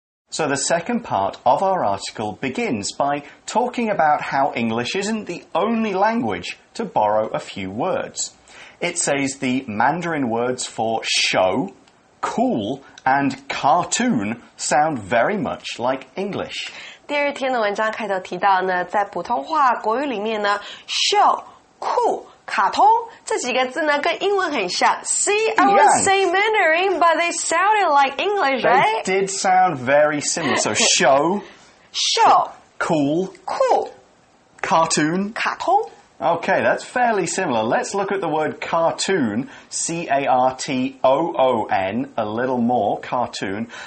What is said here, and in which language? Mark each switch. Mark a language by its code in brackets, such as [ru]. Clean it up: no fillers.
[en] So the second part of our article begins by talking about how English isn't the only language to borrow a few words. It says the Mandarin words for show, cool, and cartoon sound very much like English. [zh] 第二天的文章开头提到呢，在普通话国语里面呢 ，show、cool、卡通这几个字呢，跟英文很像。 [en] See, I would say Mandarin, but they sounded like English, right? They did sound very similar. So show, show, cool, cool, cartoon, [zh] 卡通 [en] Okay, that's fairly similar. Let's look at the word cartoon, C-A-R-T-O-O-N, a little more, cartoon.